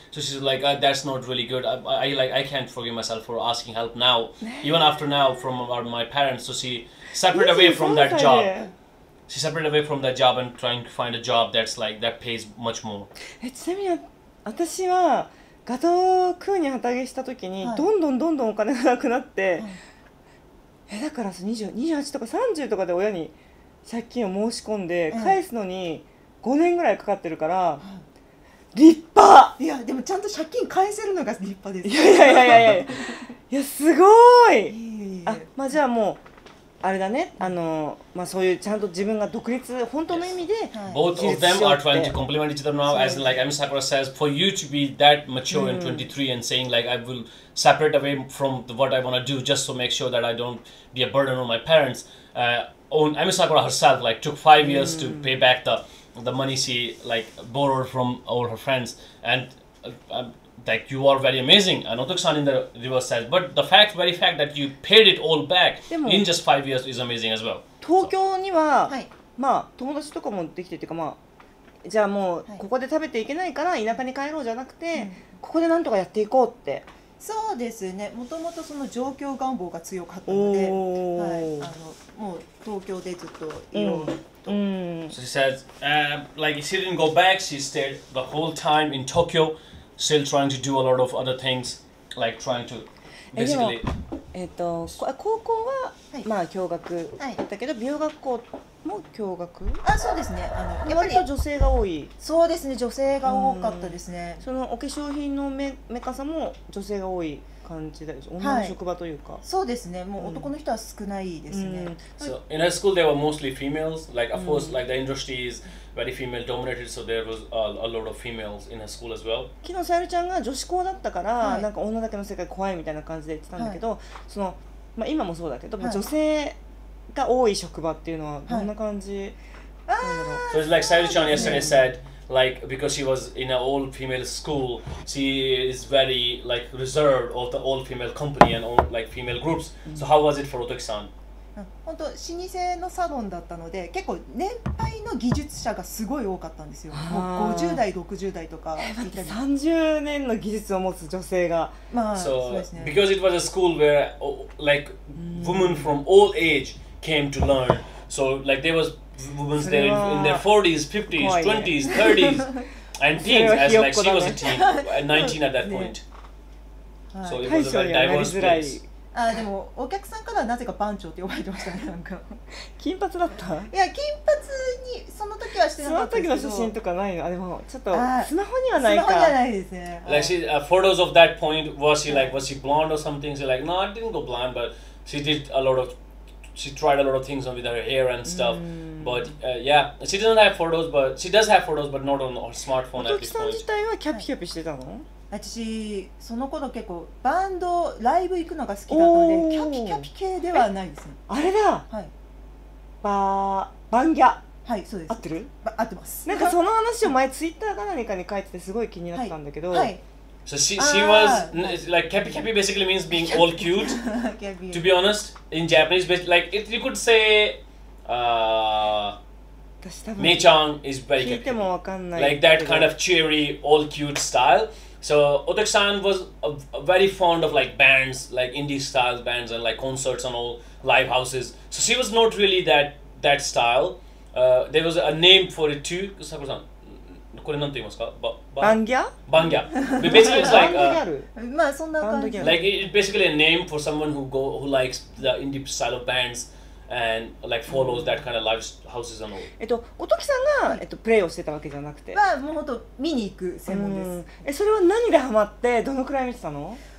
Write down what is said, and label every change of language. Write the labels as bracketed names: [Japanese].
[English] So she's like, oh, that's not really good. I can't forgive myself for asking help now, even after now from my parents. So she separated away from that job. She separated away from that job and trying to find a job that's like, that pays much more. [Japanese] ちなみに私はガトークーに旗揚げした時にどんどんどんどんお金がなくなって、はい、だから28とか30とかで親に借金を申し込んで返すのに5年ぐらいかかってるから、はい、立派。いやでもちゃんと借金返せるのが立派です。いやいやすごーい。いあ、まあ、じゃあもうあれだね、あの、まあ、そういうちゃんと自分が独立、本当の意味で、 [English] はい、Both of them are trying to complement each other now, as like Ami Sakura says, for you to be that mature in 23 and saying like, I will separate away from what I want to do just to make sure that I don't be a burden on my parents. Ami Sakura herself like took 5 years to pay back the money she like borrowed from all her friends. And like, you are very amazing. And Otoki-san in the reverse says, but the fact, very fact that you paid it all back in just 5 years is amazing as well. [Japanese] 東京には、まあ、友達とかもできてて、まあ、じゃあもう、ここで食べていけないから、田舎に帰ろうじゃなくて、ここでなんとかやっていこうって。そうですね。もともとその上京願望が強かったので、はい、あのもう東京でずっといようと。 [English] So she says, like, she didn't go back. She stayed the whole time in Tokyo. Still trying to do a lot of other things, like trying to basically. [Japanese] えっ、ー、と高校は、はい、まあ共学だけど、はい、美容学校も共学？あ、そうですね。あのやっぱり女性が多い。そうですね、女性が多かったですね。そのお化粧品のメーカーさんも女性が多い感じだよ。女の職場というか、はい。そうですね、もう男の人は少ないですね。 [English] So in high school, they were mostly females. Like of course, like the industry is. Very female dominated, so there was a lot of females in her school as well. [Japanese] 昨日さゆりちゃんが女子校だったから、はい、なんか女だけの世界怖いみたいな感じで言ってたんだけど、はい、その、まあ、今もそうだけど、はい、女性が多い職場っていうのはどんな感じ、はい、なんだろう。 [English] So it's like さゆりちゃん yesterday said, like, because she was in an all female school, she is very like reserved of the all female company and all like female groups. So how was it for Otoki-san? [Japanese] 本当老舗のサロンだったので結構年配の技術者がすごい多かったんですよ。もう50代60代とか、 30年の技術を持つ女性が、まあ、 [English] so, [Japanese] そうですね。 [English] Because it was a school where like women from all age came to learn, so like there was women there in their 40s, 50s, 20s, 30s and teens, as like she was a teen, 19 at that point. [Japanese] 大将にはなりづらい。 [English] So it was a very diverse place. [Japanese] あ、でもお客さんからはなぜか番長って呼ばれてましたね、なんか金髪だった。いや金髪にその時はしてなかったですけど、その時の写真とかないの。あ、でもちょっとスマホにはないか。スマホじゃないですね。 [English] Like she, photos of that point, was she like, was she blonde or something? She like, no, I didn't go blonde, but she did a lot of, she tried a lot of things with her hair and stuff. But yeah, she doesn't have photos, but she does have photos, but not on her smartphone at this point. [Japanese] お客さん自体はキャピキャピしてたの？私その頃結構バンドライブ行くのが好きだったので、キャピキャピ系ではないですね。あれだ、はい、バンギャ、はい、そうです。合ってる？合ってます。なんかその話を前ツイッターか何かに書いててすごい気になったんだけど、はい、 [English] So she was like Cappy. Cappy basically means being all cute. To be honest, in Japanese, like it, you could say, Mei-chan is very cute. Like that kind of cheery, all cute style. So Otaku-san was very fond of like bands, like indie style bands and like concerts and all live houses. So she was not really that style. There was a name for it too. Sakura-san. [Japanese] これなんて言いますか? バンギャ? [English] Basically, it's like, like it's basically a name for someone who likes the indie style of bands and like follows that kind of live houses and all. [Japanese] Otaki-san がプレイをしてたわけじゃなくて。まあ、もう本当、見に行く専門です。それは何でハマって、どのくらい見てたの?